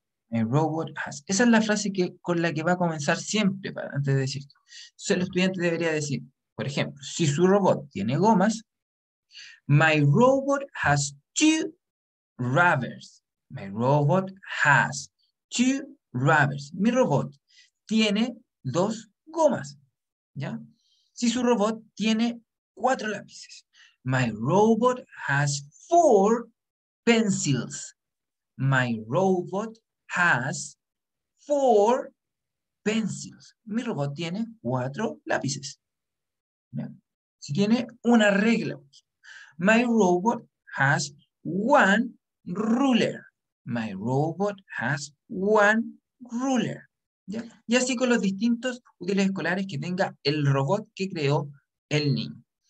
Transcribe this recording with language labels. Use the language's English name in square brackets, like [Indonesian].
[English] My robot has. [Spanish] Esa es la frase con la que va a comenzar siempre, antes de decir esto. Entonces, el estudiante debería decir: por ejemplo, si su robot tiene gomas, [English] my robot has two rubbers. My robot has two rubbers. [Spanish] Mi robot tiene dos gomas. ¿Ya? Si su robot tiene cuatro lápices, [English] my robot has four pencils. My robot has four pencils. [Spanish] Mi robot tiene cuatro lápices. Si tiene una regla, [English] my robot has one ruler. My robot has one ruler. ¿Ya? [Spanish] Y así con los distintos útiles escolares que tenga el robot que creó el niño.